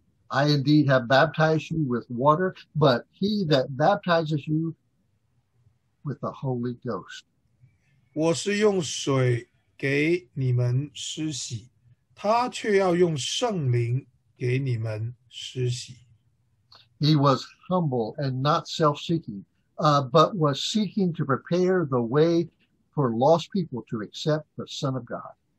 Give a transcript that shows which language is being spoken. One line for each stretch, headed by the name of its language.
English: I indeed have baptized you with water, but he that baptizes you with the Holy Ghost.
Chinese: 我是用水给你们施洗，他却要用圣灵给你们施洗。
English: He was humble and not self-seeking, but was seeking to prepare the way for lost people to accept the Son of God.